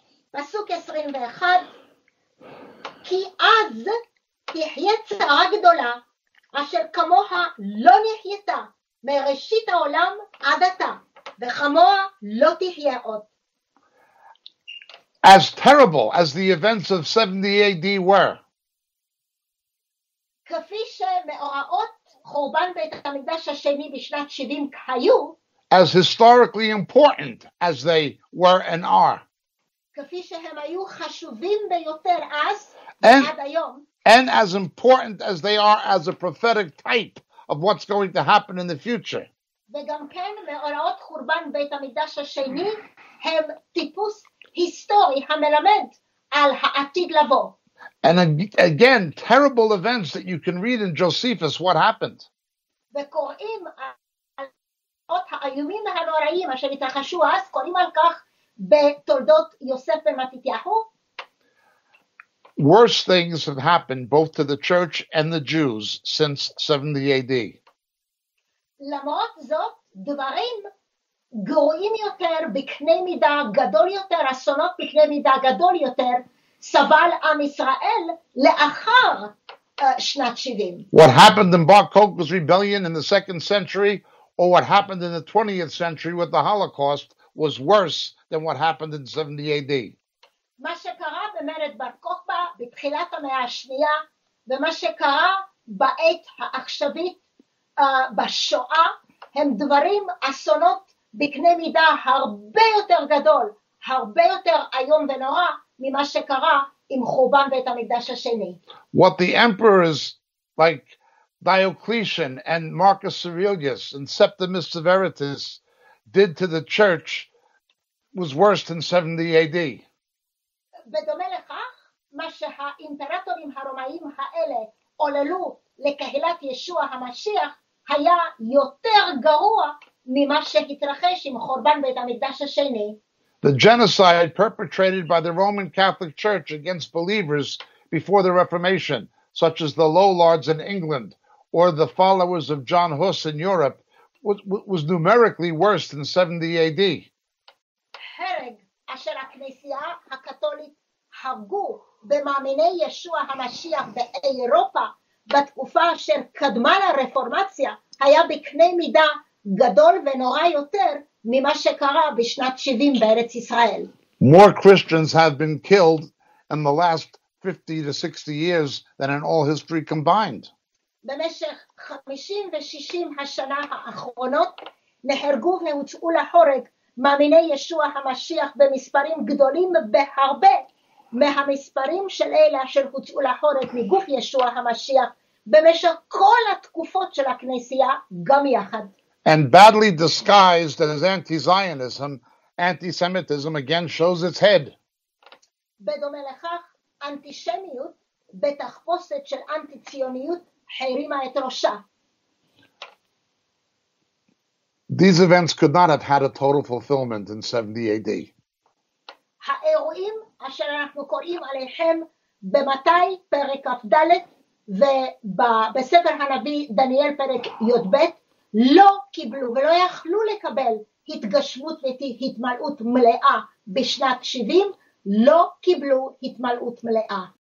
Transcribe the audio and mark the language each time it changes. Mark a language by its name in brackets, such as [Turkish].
[Hebrew] פסוק 21, כי אז תחיה צרה גדולה אשר כמוה לא נחייתה מראשית העולם עד עתה, וכמוה לא תחיה עוד. [English] As terrible as the events of 70 AD were. [Hebrew] כפי שמאורעות חורבן בית המקדש השני בשנת 70 היו. [English] As historically important as they were and are. [Hebrew] כפי שהם היו חשובים ביותר אז ועד היום. [English] And as important as they are as a prophetic type of what's going to happen in the future. [Hebrew] וגם כן מאורעות חורבן בית המקדש השני הם טיפוס היסטורי המלמד על העתיד לבוא. [English] And again, terrible events that you can read in Josephus, what happened. [Hebrew] וקוראים על האות האיומים והנוראים אשר התרחשו אז, קוראים על כך בתולדות יוסף ומתתיהו. [English] Worse things have happened both to the church and the Jews since 70 AD. [Hebrew] למרות זאת, דברים גרועים יותר בקנה מידה גדול יותר, אסונות בקנה מידה גדול יותר, סבל עם ישראל לאחר שנת 70. [English] What happened in Bar Kokhba's rebellion in the second century, or what happened in the 20th century with the Holocaust, was worse than what happened in 70 AD. [Hebrew] מה שקרה במרד בר כוכבא בתחילת המאה השנייה ומה שקרה בעת העכשווית בשואה הם דברים אסונות בקנה מידה הרבה יותר גדול, הרבה יותר איום ונורא ממה שקרה עם חורבן בית המקדש השני. [English] What the emperors like Diocletian and Marcus Aurelius and Septimus Severus did to the church was worse than 70 AD. [Hebrew] בדומה לכך, מה שהאימפרטורים הרומאים האלה עוללו לקהילת ישוע המשיח היה יותר גרוע ממה שהתרחש עם חורבן בית המקדש השני. [English] The genocide perpetrated by the Roman Catholic Church against believers before the Reformation, such as the Lollards in England or the followers of John Huss in Europe, was numerically worse than 70 AD. [Hebrew] הרג אשר הכנסייה הקתולית הרגו במאמיני ישוע המשיח באירופה בתקופה אשר קדמה לרפורמציה היה בקנה מידה גדול ונורא יותר ממה שקרה בשנת 70 בארץ ישראל. [English] More Christians have been killed in the last 50 to 60 years than in all history combined. [Hebrew] במשך 50 ו-60 השנה האחרונות נהרגו והוצאו להורג מאמיני ישוע המשיח במספרים גדולים בהרבה מהמספרים של אלה אשר הוצאו להורג מגוף ישוע המשיח במשך כל התקופות של הכנסייה גם יחד. [English] and badly disguised as anti-Zionism, anti-Semitism again shows its head. [Hebrew] בדומה לכך, אנטישמיות בתחפושת של אנטי-ציוניות הרימה את ראשה. [English] These events could not have had a total fulfillment in 70 AD. [Hebrew] האירועים אשר אנחנו קוראים עליהם במתי פרק כ"ד ובספר הנביא דניאל פרק י"ב לא קיבלו ולא יכלו לקבל התגשמות והתמלאות מלאה בשנת 70, לא קיבלו התמלאות מלאה.